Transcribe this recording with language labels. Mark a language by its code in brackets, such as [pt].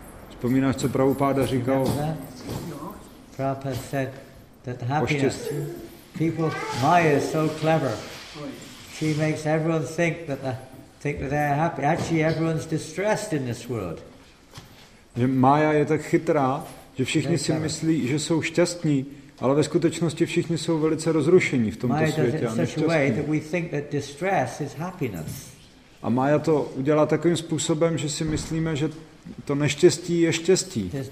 [cs] Vzpomínáš, co Prabhupáda říkal? [en] Prabhupáda said that happiness. People, Maya is so clever. She makes everyone think that they are happy. Actually, everyone's distressed in this world. [cs] Maya je tak chytrá, že všichni si myslí, že jsou šťastní. Ale ve skutečnosti všichni jsou velice rozrušení v tomto světě a nešťastní. A Maya to udělá takovým způsobem, že si myslíme, že to neštěstí je štěstí.